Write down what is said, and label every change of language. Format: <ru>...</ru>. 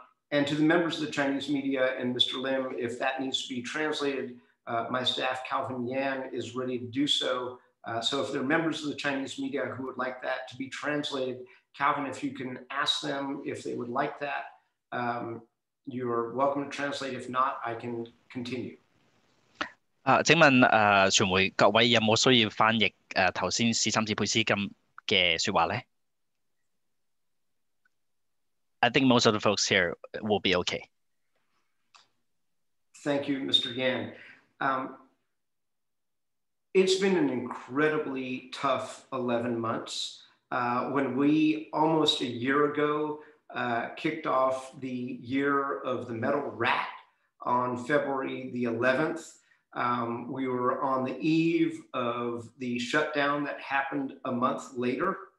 <en>And to the members of the Chinese media and Mr. Lim, if that needs to be translated, my staff, Calvin Yan, is ready to do so. So if there are members of the Chinese media who would like that to be translated, Calvin, if you can ask them if they would like that, you're welcome to translate. If not, I can continue.</en> <zh>請問, 傳媒, 各位有沒有需要翻譯, 剛才史三智佩斯金的說話呢?</zh> <en>I think most of the folks here will be okay. Thank you, Mr. Yan. It's been an incredibly tough 11 months. When we, almost a year ago, kicked off the year of the metal rat on February the 11th, we were on the eve of the shutdown that happened a month later.</en>